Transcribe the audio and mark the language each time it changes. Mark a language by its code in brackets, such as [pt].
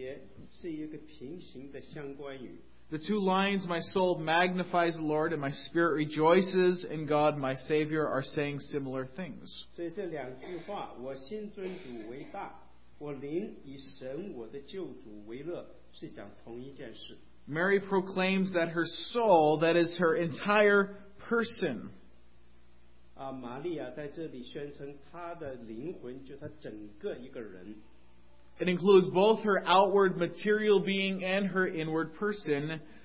[zh] 在46节跟47节是一个平行的相关语。 [en] The two lines, "My soul magnifies the Lord, and my spirit rejoices in God, my Savior," are saying similar things. [zh] 所以这两句话，我心尊主为大，我灵以神我的救主为乐，是讲同一件事。 [en] Mary proclaims that her soul, that is her entire person. [zh] 玛利亚在这里宣称她的灵魂，就她整个一个人。 [en] It includes both her outward material being and her inward person.